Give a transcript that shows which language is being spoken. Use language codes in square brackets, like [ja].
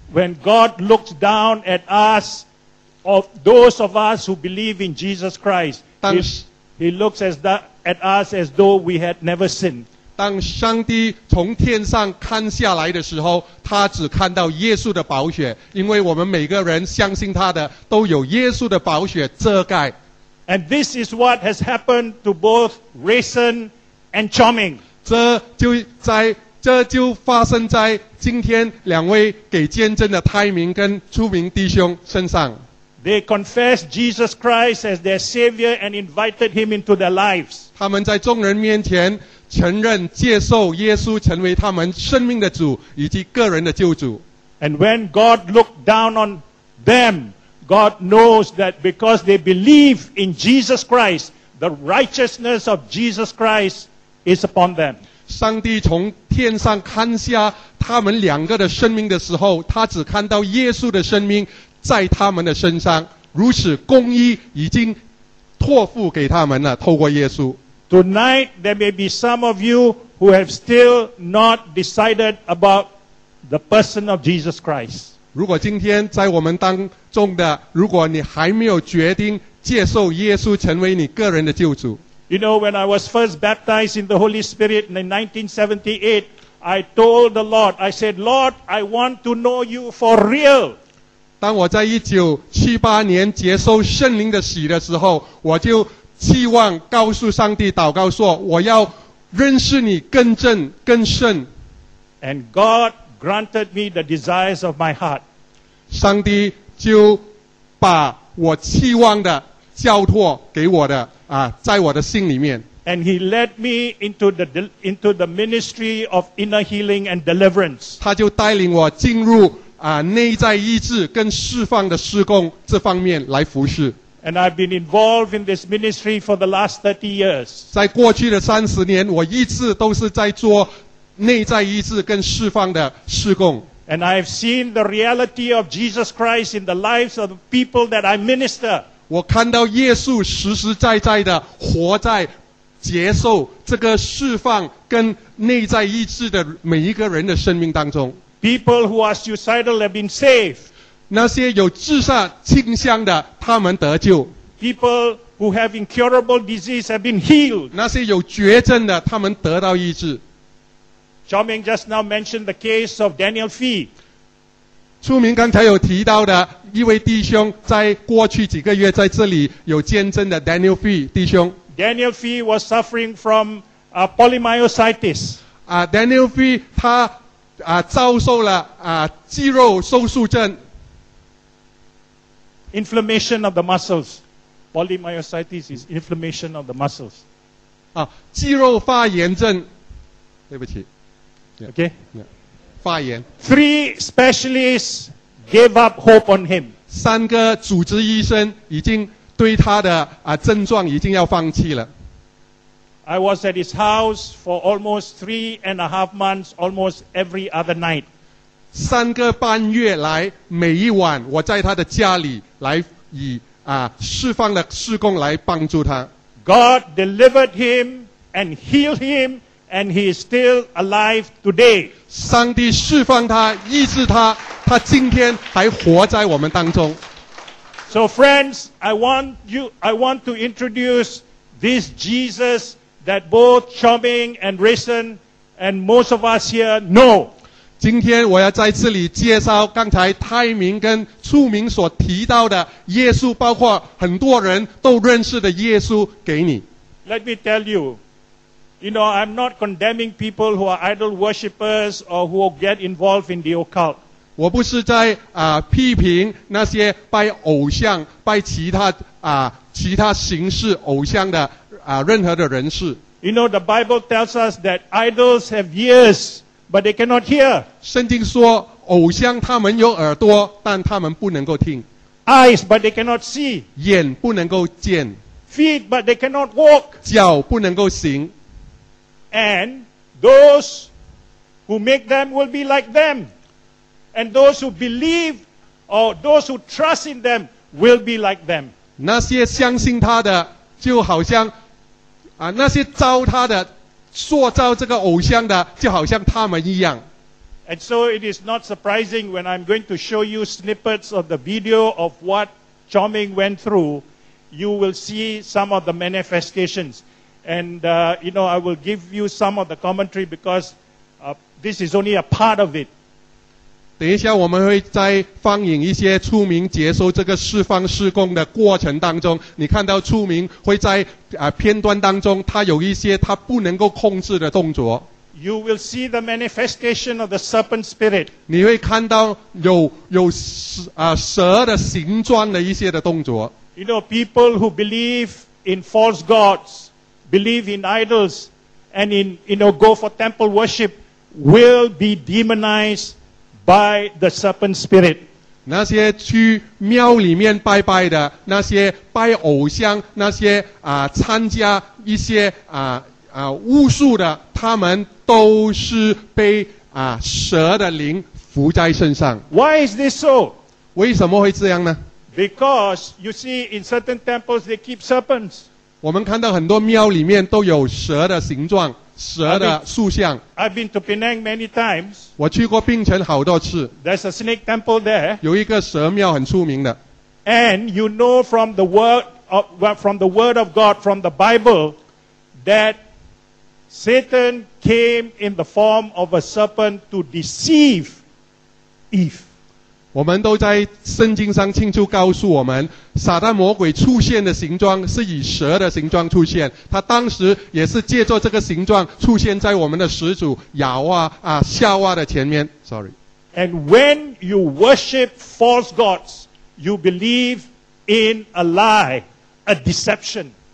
[en] When God looks down at us, of those of us who believe in Jesus Christ, He looks at us as though we had never sinned. [zh] 当上帝从天上看下来的时候，他只看到耶稣的宝血，因为我们每个人相信他的都有耶稣的宝血遮盖。 [en] And this is what has happened to both Rayson and Chew Meng. [zh] 这就发生在今天两位给见证的泰明跟朱明弟兄身上。 [en] They confessed Jesus Christ as their Savior and invited Him into their lives. [zh] 他们在众人面前承认接受耶稣成为他们生命的主以及个人的救主。 [en] And when God looked down on them, God knows that because they believe in Jesus Christ, the righteousness of Jesus Christ is upon them. [zh] 上帝从天上看下他们两个的生命的时候，他只看到耶稣的生命在他们的身上，如此公义已经托付给他们了。透过耶稣。 [en] Tonight there may be some of you who have still not decided about the person of Jesus Christ. [zh] 如果今天在我们当中的，如果你还没有决定接受耶稣成为你个人的救主。 [en] You know, when I was first baptized in the Holy Spirit in 1978, I told the Lord, I said, Lord, I want to know you for real. [zh] 当我在1978年接受圣灵的洗的时候，我就期望告诉上帝祷告说我要认识你更真更深 [en] And God granted me the desires of my heart [zh] 上帝就把我期望的交托给我的啊，在我的心里面 [en] And he led me into the ministry of inner healing and deliverance [zh] 他就带领我进入啊，内在医治跟释放的施工这方面来服事。 [en] And I've been involved in this ministry for the last 30 years. [zh] 在过去的三十年，我一直都是在做内在医治跟释放的施工。 [en] And I've seen the reality of Jesus Christ in the lives of the people that I minister. [zh] 我看到耶稣实实在在的活在接受这个释放跟内在医治的每一个人的生命当中。 [en] People who are suicidal have been saved. [zh] 那些有自杀倾向的，他们得救。 [en] People who have incurable disease have been healed. [zh] 那些有绝症的，他们得到医治。 [en] Chew Meng just now mentioned the case of Daniel Fee. [zh] 出名刚才有提到的一位弟兄，在过去几个月在这里有见证的 Daniel Fee 弟兄。 [en] Daniel Fee was suffering from polymyositis. [zh] Daniel Fee 他遭受了肌肉收缩症 [en] inflammation of the muscles polymyositis is inflammation of the muscles [zh] 肌肉发炎症对不起 [en] yeah, okay [zh] yeah, 发炎 [en] three specialists gave up hope on him [zh] 三个主治医生已经对他的症状已经要放弃了 [en] I was at his house for almost 3.5 months, almost every other night. [zh] 三个半月来，每一晚我在他的家里来以释放的施工来帮助他。 [en] God delivered him and healed him, and he is still alive today. [zh] 上帝释放他，医治他，他今天还活在我们当中。 [en] So friends, I want to introduce this Jesus. That both Chew Meng and Rayson and most of us here know. [zh] 今天我要在这里介绍刚才泰明跟楚明所提到的耶稣，包括很多人都认识的耶稣给你。 [en] Let me tell you, you know, I'm not condemning people who are idol worshippers or who get involved in the occult. [zh] 我不是在批评那些拜偶像、拜其他形式偶像的。任何的人士 [en] You know, the Bible tells us that idols have ears, but they cannot hear. [zh] 圣经说，偶像他们有耳朵，但他们不能够听。 [en] Eyes, but they cannot see. [zh] 眼不能够见。 [en] Feet, but they cannot walk. [zh] 脚不能够行。 [en] And those who make them will be like them. And those who believe or those who trust in them will be like them. [zh] 那些相信他的，就好像那些造他的、塑造这个偶像的，就好像他们一样。 [en] And so it is not surprising when I'm going to show you snippets of the video of what Chew Meng went through, you will see some of the manifestations. And you know, I will give you some of the commentary because this is only a part of it. [zh] 等一下，我们会再放映一些楚明接受这个释放施工的过程当中，你看到楚明会在片段当中，他有一些他不能够控制的动作。 [en] You will see the manifestation of the serpent spirit. [zh] 你会看到有蛇的形状的一些的动作。 [en] You know, people who believe in false gods, believe in idols, and in you know go for temple worship will be demonized. By the serpent spirit. [zh] 那些去庙里面拜拜的，那些拜偶像，那些参加一些巫术的，他们都是被蛇的灵附在身上。 [en] Why is this so? [zh] 为什么会这样呢 [en] ？Because you see, in certain temples they keep serpents. [zh] 我们看到很多庙里面都有蛇的形状。蛇的塑像 [en] I've been to Penang many times [zh] 我去过槟城好多次 [en] There's a snake temple there [zh] 有一个蛇庙很出名的 [en] And you know from the word of God from the Bible that Satan came in the form of a serpent to deceive Eve [zh] 我们都在圣经上清楚告诉我们，撒旦魔鬼出现的形状是以蛇的形状出现，他当时也是借着这个形状出现在我们的始祖亚娃啊夏娃的前面。 [en] Sorry. And when you worship false gods, you believe in a lie, a deception.